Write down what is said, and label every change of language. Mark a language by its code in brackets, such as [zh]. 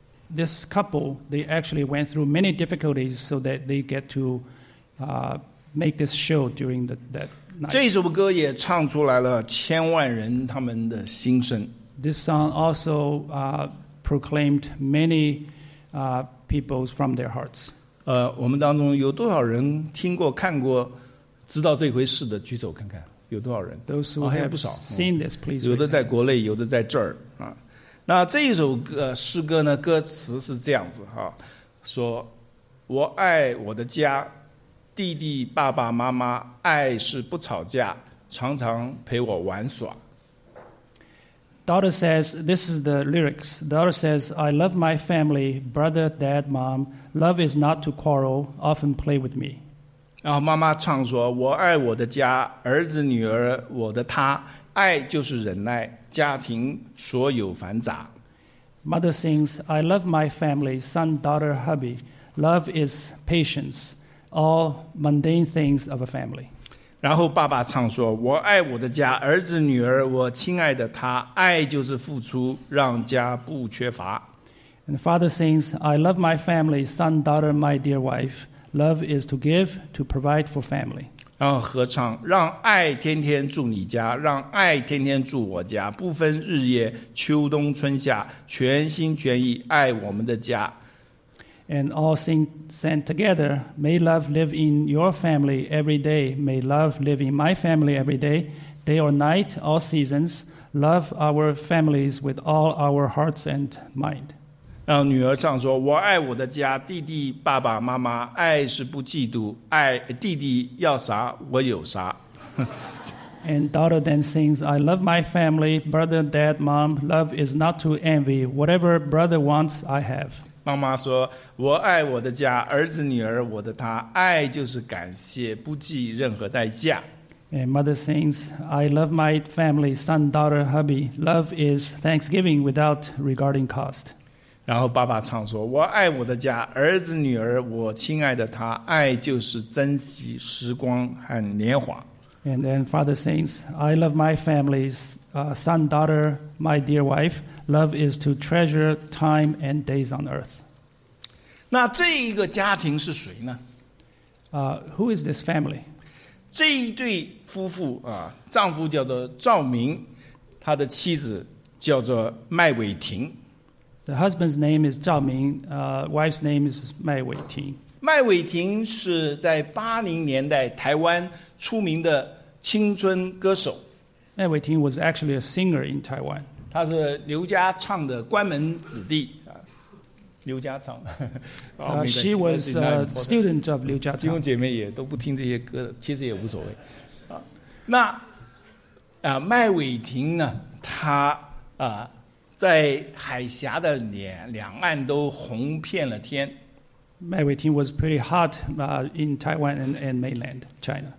[en] This couple, they actually went through many difficulties so that they get to make this show during that. [zh] 这首歌也唱出来了千万人他们的心声。 [en] This song also proclaimed many people's from their hearts. [zh] 我们当中有多少人听过、看过、知道这回事的？举手看看，有多少人？ [en] Those who [zh] 还有不少。 [en] Seen this, please. [zh] 有的在国内，有的在这儿啊。那这一首歌诗歌呢？歌词是这样子哈、啊，说：“我爱我的家。” 弟弟爸爸妈妈爱是不吵架常常陪我玩耍。 [en] Daughter says, this is the lyrics. Daughter says, I love my family, brother, dad, mom. Love is not to quarrel, often play with me. [zh] 然后妈妈唱说，我爱我的家，儿子女儿我的他，爱就是忍耐，家庭所有繁杂。 [en] Mother sings, I love my family, son, daughter, hubby. Love is patience. All mundane things of a family. [zh] 然后爸爸唱说，我爱我的家，儿子女儿，我亲爱的他，爱就是付出，让家不缺乏。 [en] And the father sings, I love my family, son, daughter, my dear wife. Love is to give, to provide for family. [zh] 然后合唱，让爱天天住你家，让爱天天住我家，不分日夜，秋冬春夏，全心全意爱我们的家。 [en] And all sing together, may love live in your family every day. May love live in my family every day, day or night, all seasons. Love our families with all our hearts and mind. [zh] 让女儿唱说，我爱我的家，弟弟爸爸妈妈，爱是不嫉妒，爱弟弟要啥我有啥。 [en] And daughter then sings, I love my family, brother, dad, mom. Love is not to envy. Whatever brother wants, I have. [zh] 妈妈说，我爱我的家，儿子女儿我的他，爱就是感谢，不计任何代价。 [en] And mother sings, I love my family, son, daughter, hubby. Love is thanksgiving without regarding cost. [zh] 然后爸爸唱说，我爱我的家，儿子女儿我亲爱的他，爱就是珍惜时光和年华。 [en] And then father sings, I love my family, son, daughter, my dear wife. Love is to treasure time and days on earth. [zh] 那这一个家庭是谁呢？ [en] Who is this family? [zh] 这一对夫妇啊，丈夫叫做赵明，他的妻子叫做麦伟婷。 [en] The husband's name is 赵明, wife's name is 麦伟婷。 [zh] 麦伟婷是在80年代台湾出名的青春歌手。 [en] 麦伟婷 was actually a singer in Taiwan. [zh] 他是刘家昌的关门子弟，刘家昌。 [en] She was a student of 刘家昌。 [zh] 弟兄姐妹也都不听这些歌，其实也无所谓。那麦伟婷呢？他在海峡的两岸都红遍了天。 [en] 麦伟婷 was pretty hot in Taiwan and mainland China。